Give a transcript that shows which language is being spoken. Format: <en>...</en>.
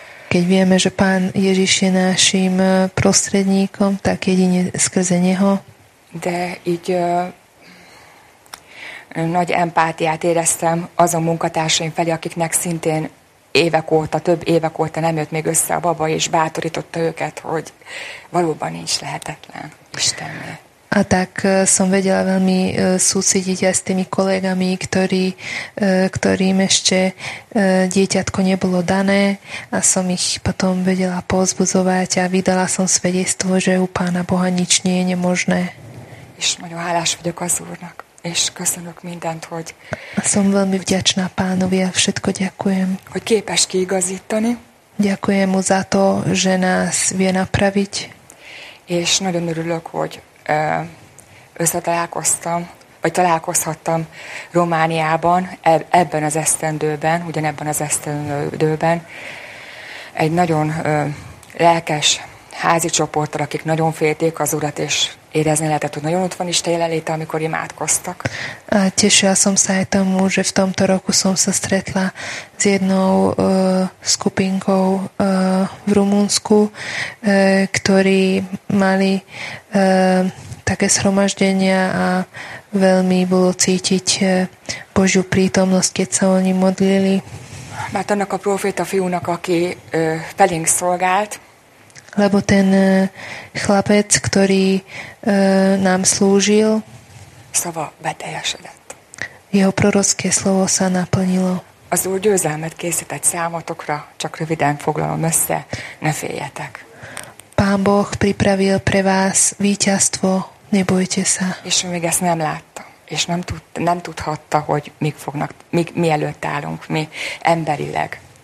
<sk>Keď vieme, že Pán Ježiš je našim prostredníkom, tak jedine skrze neho.</sk> <hu>De így... nagy empátiát éreztem azon munkatársaim felé, akiknek szintén évek óta, több évek óta nem jött még össze a baba, és bátorította őket, hogy valóban nincs lehetetlen Istennél.</hu> <sk>A tak som vedela veľmi súcítiť aj s tými kolegami, ktorým ešte dieťatko nebolo dané a som ich potom vedela pozbudzovať a vydala som svedectvo, že u Pána Boha nič nie je nemožné.</sk> <hu>És nagyon hálás vagyok az Úrnak. És köszönök mindent, hogy...</hu> <sk>Som veľmi vďačná Pánovi, všetko ďakujem.</sk> <hu>Hogy képes kiigazítani.</hu> <sk>Ďakujem mu za to, že nás vie napraviť.</sk> <hu>És nagyon örülök, hogy összetalálkoztam, vagy találkozhattam Romániában, ebben az esztendőben, ugyanebben az esztendőben, egy nagyon lelkes házi csoporttal, akik nagyon félték az Urat, és érezni lehetett, hogy nagyon ott van Isten jelenléte, amikor imádkoztak.</hu> <sk>A tešila som sa aj tomu, že v tomto roku som sa stretla s jednou skupinkou v Rumunsku, ktorí mali také shromaždenia a veľmi bolo cítiť Božiu prítomnosť, keď sa oni modlili.</sk> <hu>Mert annak a proféta fiúnak, aki felénk szolgált,</hu> <sk>lebo ten chlapec, ktorý nám slúžil,</sk> <hu>slovo beteljesedett.</hu> <sk>Jeho prorocké slovo sa naplnilo.</sk> <hu>Az Úr győzelmet készített számotokra, csak röviden foglalom össze, ne féljetek.</hu> <sk>Pán Boh pripravil pre vás víťazstvo, nebojte sa.</sk> <hu>És ő még ezt nem látta, és nem tudhatta, hogy mi előtt állunk, mi emberileg.</hu>